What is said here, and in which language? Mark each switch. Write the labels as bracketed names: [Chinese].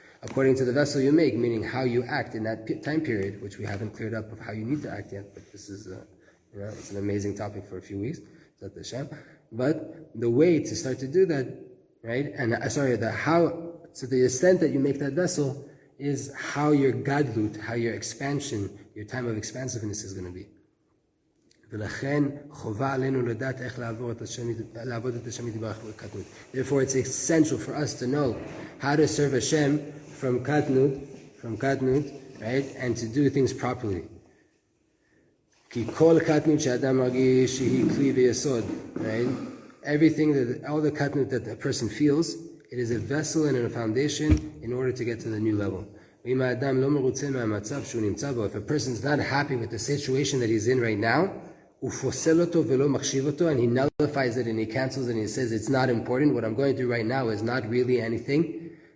[English] According to the vessel you make, meaning how you act in that time period, which we haven't cleared up of how you need to act yet, but this is it's an amazing topic for a few weeks. Zat Hashem. But the way to start to do that, right? And the extent that you make that vessel is how your gadlut, how your expansion, your time of expansiveness is going to be. [Hebrew] ולכן חובה עלינו לדעת איך לעבור את השם, לעבוד את השם יתברך בקטנות. [English] Therefore, it's essential for us to know how to serve Hashem from katnut, right, and to do things properly. [Hebrew] כי כל קטנות שאדם מרגיש שהיא כלי ויסוד, [English] right? Everything that all the katnut that a person feels, it is a vessel and a foundation in order to get to the new level. [Hebrew] ואם האדם לא מרוצה מהמצב שהוא נמצא בו, [English] if a person is not happy with the situation that he's in right now, [Hebrew] הוא פוסל אותו ולא מחשיב אותו, [English] and he nullifies it and he cancels it and he says it's not important, what I'm going through right now is not really anything,